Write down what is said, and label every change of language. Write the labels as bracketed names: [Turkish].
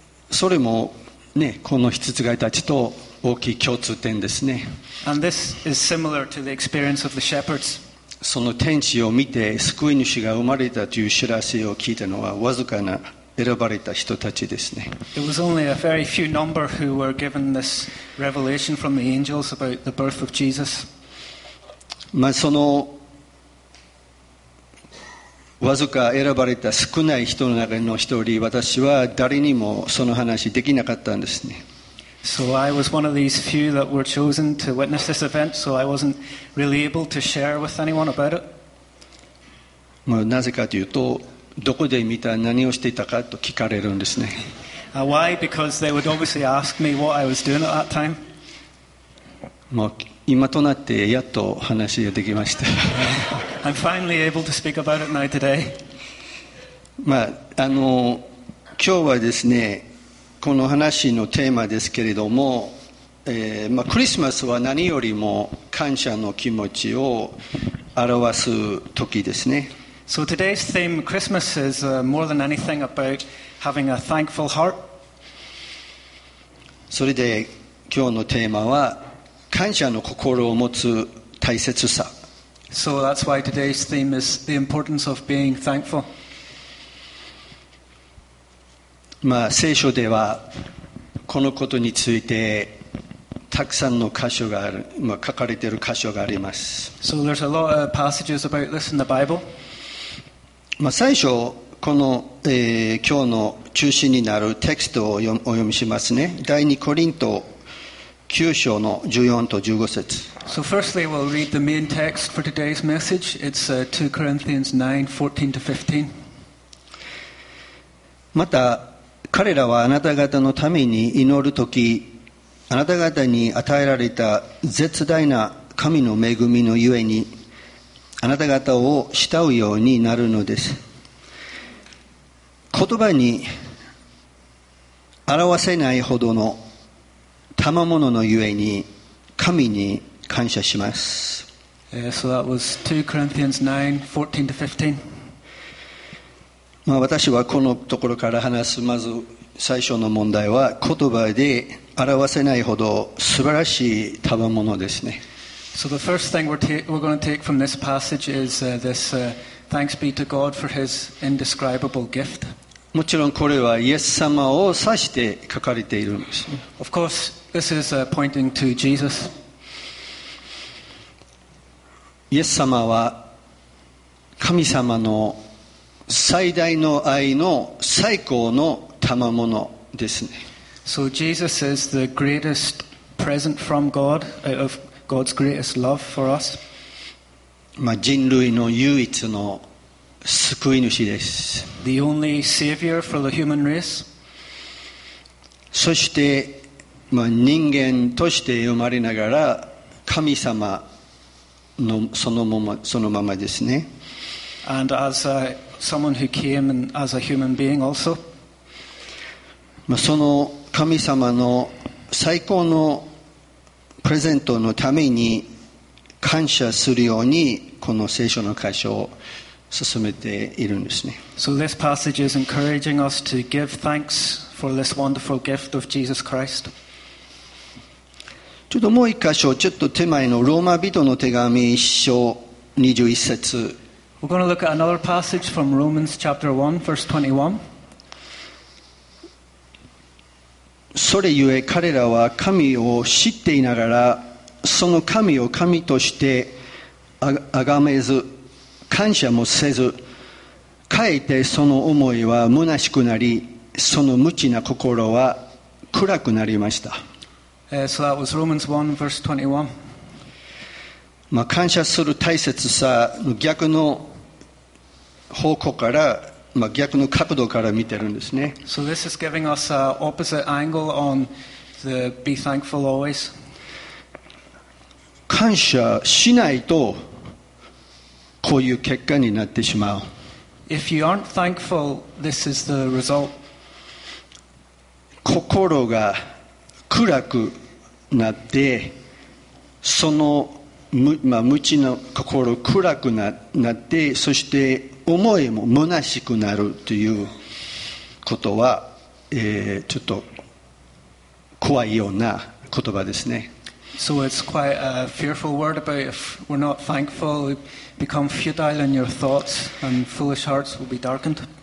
[Japanese] それもね、この羊飼いたちと大きい共通点ですね。 [English] And this is similar to the experience of the shepherds. [Japanese] その天使を見て救い主が生まれたという知らせを聞いたのはわずかな選ばれた人たちですね。 [English] It was only a very few number who were given this revelation from the angels about the birth of Jesus. [Japanese] まあそのわずか選ばれた少ない人の中の一人、私は誰にもその話できなかったんですね。 [English] So I was one of these few that were chosen to witness this event, so I wasn't really able to share with anyone about it. [Japanese] まあ、なぜかというと、どこで見た、何をしていたかと聞かれるんですね。 [English] Why? Because they would obviously ask me what I was doing at that time. [Japanese] まあ、今となってやっと話ができました。 [English] I'm finally able to speak about it now today. [Japanese] まあ、今日はですね、この話のテーマですけれども、まあ、クリスマスは何よりも感謝の気持ちを表す時ですね。 [English] So today's theme, Christmas, is more than anything about having a thankful heart. [Japanese] それで、今日のテーマは感謝の心を持つ大切さ。 [English] So that's why today's theme is the importance of being thankful. [Japanese] まあ聖書ではこのことについてたくさんの箇所がある、まあ、書かれている箇所があります。 [English] So there's a lot of passages about this in the Bible. [Japanese] まあ最初この、今日の中心になるテキストをお読みしますね。第二コリント9章の14と15節。 [English] So firstly, we'll read the main text for today's message. It's 2 Corinthians 9, 14 to 15. [Japanese] また彼らはあなた方のために祈るとき、あなた方に与えられた絶大な神の恵みのゆえに、あなた方を慕うようになるのです。言葉に表せないほどの賜物のゆえに神に感謝します。 [English] So that was 2 Corinthians 9, 14 to 15. [Japanese] まあ私はこのところから話す、まず最初の問題は言葉で表せないほど素晴らしい賜物ですね。 [English] So the first thing we're going to take from this passage is this thanks be to God for his indescribable gift. [Japanese] もちろんこれはイエス様を指して書かれているんです。 [English] Of course,This is pointing to Jesus. [Japanese] イエス様は神様の最大の愛の最高の賜物ですね。 [English] So Jesus is the greatest present from God, of God's greatest love for us. [Japanese] まあ人類の唯一の救い主です。 [English] The only savior for the human race. [Japanese] そしてまあ、人間として生まれながら神様のそのままですね。 [English] And as a, someone who came and as a human being also. [Japanese] まあ、その神様の最高のプレゼントのために感謝するようにこの聖書の箇所を進めているんですね。 [English] So this passage is encouraging us to give thanks for this wonderful gift of Jesus Christ. [Japanese] ちょっともう一箇所、ちょっと手前のローマ人の手紙1章21節。 [English] We're going to look at another passage from Romans chapter 1, verse 21. [Japanese] それゆえ彼らは神を知っていながら、その神を神としてあがめず、感謝もせず、かえってその思いは虚しくなり、その無知な心は暗くなりました。 [English] So that was Romans 1 verse 21. [Japanese] まあ感謝する大切さの逆の方向から、まあ、逆の角度から見てるんですね。 [English] So this is giving us an opposite angle on the be thankful always. [Japanese] 感謝しないとこういう結果になってしまう。 [English] If you aren't thankful, this is the result. [Japanese] 心が暗くなって、その無、まあ、無知の心暗くなって、そして思いも虚しくなるということは、ちょっと怖いような言葉ですね。 [English] So it's quite a fearful word about if we're not thankful, we become futile in your thoughts and foolish hearts will be darkened.